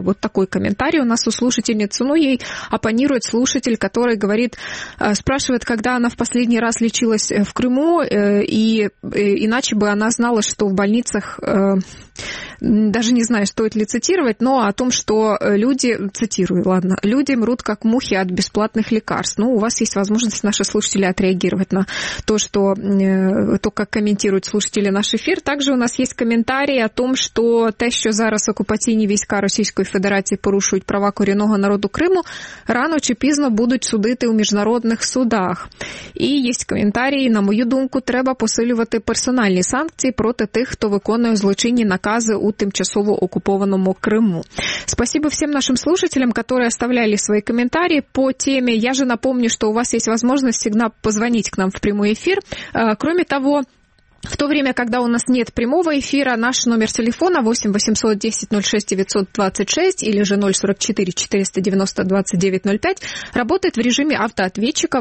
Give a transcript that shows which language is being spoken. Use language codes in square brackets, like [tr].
[ru] Вот такой комментарий у нас у слушательницы. Ну, ей оппонирует слушатель, который говорит, спрашивает, когда она в последний раз лечилась в Крыму, иначе бы она знала, что в больницах... Даже не знаю, стоит ли цитировать, но о том, что люди, цитирую, ладно, люди мрут как мухи от бесплатных лекарств. Ну, у вас есть возможность, наши слушатели, отреагировать на то, что то, как комментируют слушатели наш эфир. Также у нас есть комментарии о том, что те, [uk] що зараз окупаційні війська Російської Федерації порушують права корінного народу Криму, рано чи пізно будуть судити у міжнародних судах. І є коментарі, на мою думку, треба посилювати персональні санкції проти тих, хто виконує злочинні накази у тимчасово окупованому Крыму. [ru] Спасибо всем нашим слушателям, которые оставляли свои комментарии по теме. Я же напомню, что у вас есть возможность всегда позвонить к нам в прямой эфир. Кроме того, в то время, когда у нас нет прямого эфира, наш номер телефона 8 800 10 06 926 или же 044 490 2905 работает в режиме автоответчика.